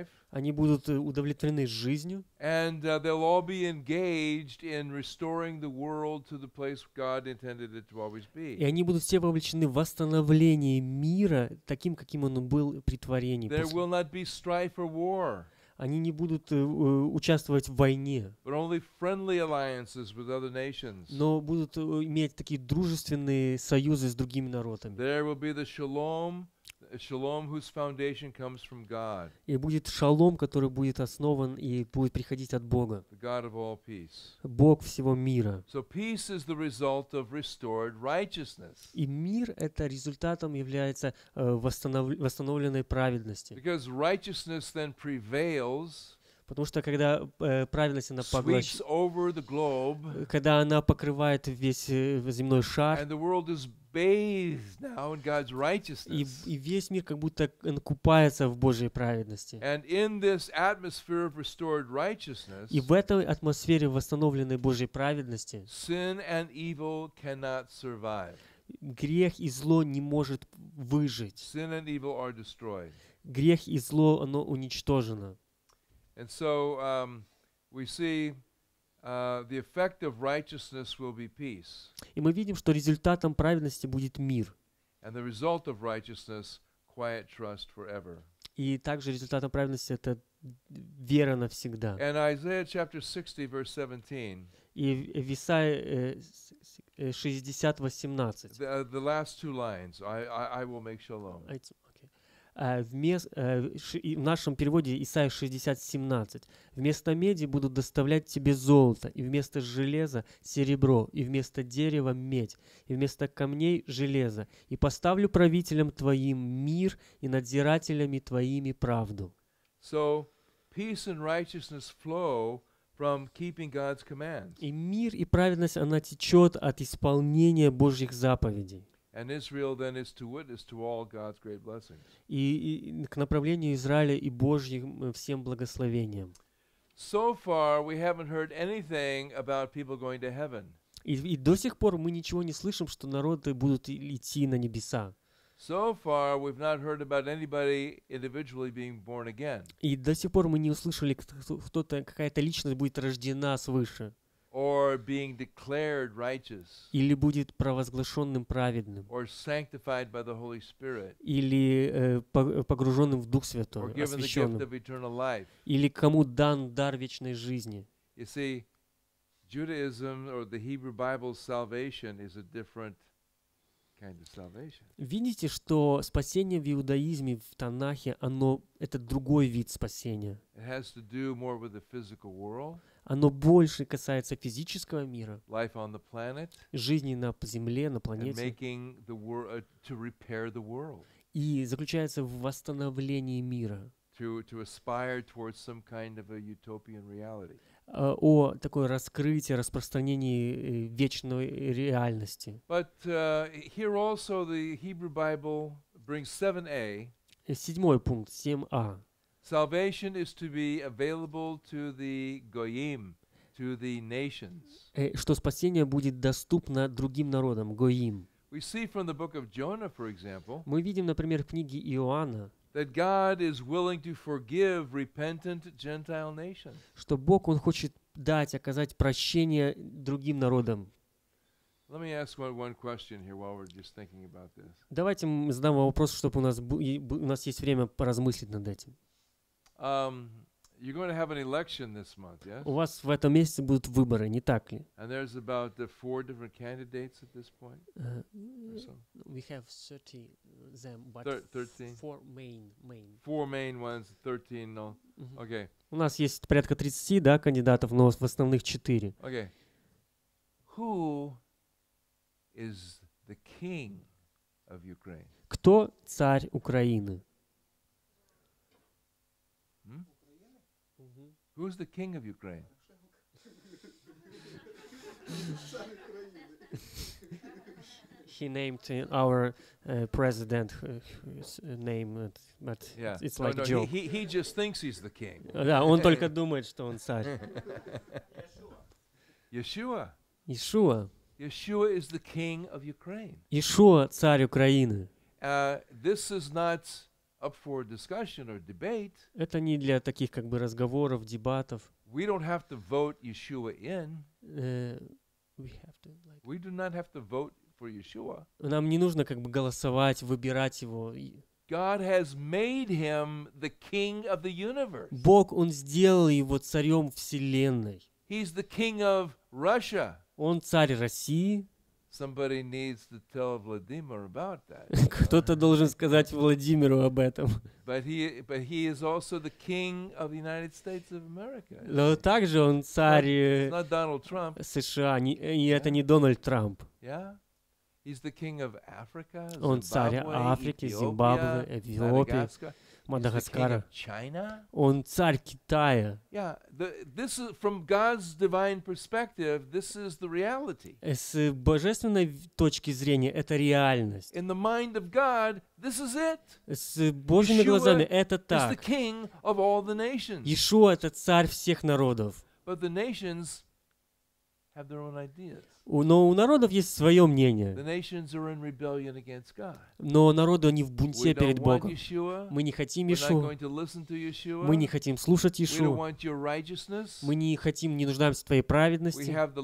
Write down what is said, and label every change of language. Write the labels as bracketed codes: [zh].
[ru] Они будут удовлетворены жизнью. [en] And they'll all be engaged in restoring the world to the place God intended it to always be. [ru] И они будут все вовлечены в восстановление мира таким, каким он был при творении. [en] There will not be strife or war. [ru] Они не будут участвовать в войне. [en] But only friendly alliances with other nations. [ru] Но будут иметь такие дружественные союзы с другими народами. [en] There will be the shalom. A shalom whose foundation comes from God. [ru] И будет шалом, который будет основан и будет приходить от Бога. [en] The God of all peace. [ru] Бог всего мира. [en] So peace is the result of restored righteousness. [ru] И мир это результатом является восстановленной праведности. [en] Because righteousness then prevails. [ru] Потому что когда праведность она поглощает, [en] sweeps over the globe, [ru] когда она покрывает весь земной шар, [en] and the world is bathed now in God's righteousness, [ru] и весь мир как будто купается в Божьей праведности. [en] And in this atmosphere of restored righteousness, [ru] и в этой атмосфере восстановленной Божьей праведности, [en] sin and evil cannot survive. [ru] Грех и зло не может выжить. [en] Sin and evil are destroyed. [ru] Грех и зло, оно уничтожено. [en] And so we see the effect of righteousness will be peace. [ru] И мы видим, что результатом праведности будет мир. [en] And the result of righteousness, quiet trust forever. [ru] И также результатом праведности это вера навсегда. [en] And Isaiah chapter 60 verse 17. [ru] И в Исаии 60, 18. [en] The last two lines. I will make shalom. [ru] В нашем переводе Исаия 60, 17. Вместо меди будут доставлять тебе золото, и вместо железа серебро, и вместо дерева медь, и вместо камней железо, и поставлю правителям твоим мир и надзирателями твоими правду. [en] So, peace and righteousness flow from keeping God's commands. [ru] И мир и праведность она течет от исполнения Божьих заповедей. [en] And Israel then is to witness to all God's great blessings. [ru] И к направлению Израиля и Божьим всем благословениям. [en] So far we haven't heard anything about people going to heaven. [ru] И до сих пор мы ничего не слышим, что народы будут идти на небеса. [en] So far we've not heard about anybody individually being born again. [ru] И до сих пор мы не услышали, кто-то какая-то личность будет рождена свыше. [en] Or being declared righteous. [ru] Или будет провозглашенным праведным. [en] Or sanctified by the Holy Spirit. [ru] Или погруженным в Дух Святой, освященным. [en] Or given the gift of eternal life. [ru] Или кому дан дар вечной жизни. [en] You see, Judaism or the Hebrew Bible's salvation is a different kind of salvation. [ru] Видите, что спасение в иудаизме, в Танахе, оно это другой вид спасения. [en] It has to do more with the physical world. [ru] Оно больше касается физического мира, [en] life on the planet, [ru] жизни на Земле, на планете, [en] and making the to repair the world, [ru] и заключается в восстановлении мира, [en] to aspire towards some kind of a utopian reality. [ru] О такое раскрытие, распространении вечной реальности. [en] But here also the Hebrew Bible brings 7a. [ru] Седьмой пункт, 7a. [en] Salvation is to be available to the goyim, to the nations. [ru] Что спасение будет доступно другим народам, goyim. [en] We see from the book of Jonah, for example. [ru] Мы видим, например, в книге Иоанна. [en] That God is willing to forgive repentant Gentile nations. [ru] Что Бог он хочет дать, оказать прощение другим народам. [en] Let me ask one question here while we're just thinking about this. [ru] Давайте задам вопрос, чтобы у нас есть время поразмыслить над этим. [en] You're going to have an election this month, yes? [ru] У вас в этом месяце будут выборы, не так ли? [en] And there's about the four different candidates at this point. We have 30 them, but 13. Four main. Four main ones, 13, no. Mm-hmm. Okay. [ru] У нас есть порядка 30, да, кандидатов, но в основных 4. [en] Okay. Who is the king of Ukraine? [ru] Кто царь Украины? [en] Who's the king of Ukraine? He named our president his name, but yeah. It's like a joke. He just thinks he's the king. [ru] Да, он только думает, что он царь. [en] Yeshua. Yeshua is the king of Ukraine. [ru] Yeshua, царь Украины. [en] This is not up for discussion or debate. [ru] Это не для таких как бы разговоров, дебатов. [en] We don't have to vote Yeshua in. We do not have to vote for Yeshua. [ru] Нам не нужно как бы голосовать, выбирать его. [en] God has made him the king of the universe. [ru] Бог он сделал его царем вселенной. [en] He's the king of Russia. [ru] Он царь России. [en] Somebody needs to tell Vladimir about that. [ru] Кто-то должен сказать Владимиру об этом. [en] But he is also the king of the United States of America. [ru] Но также он царь. [en] It's not Donald Trump. [ru] США, и это не Дональд Трамп. [en] Yeah, he's the king of Africa. [ru] Он царь Африки, Зимбабве, Эфиопии, Мадагаскара. [en] He's the king of China? [ru] Он царь Китая. [en] Yeah, this is from God's divine perspective, this is the reality. [ru] С божественной точки зрения это реальность. [en] In the mind of God, this is it. [ru] С божьими глазами это так. [en] He's the king of all the nations. [ru] Иешуа это царь всех народов. [en] But the nations have their own ideas. [ru] Но у народов есть свое мнение. Но народы, они в бунте перед Богом. Мы не хотим Иешуа. Мы не хотим слушать Иешуа. Мы не хотим, не нуждаемся в твоей праведности.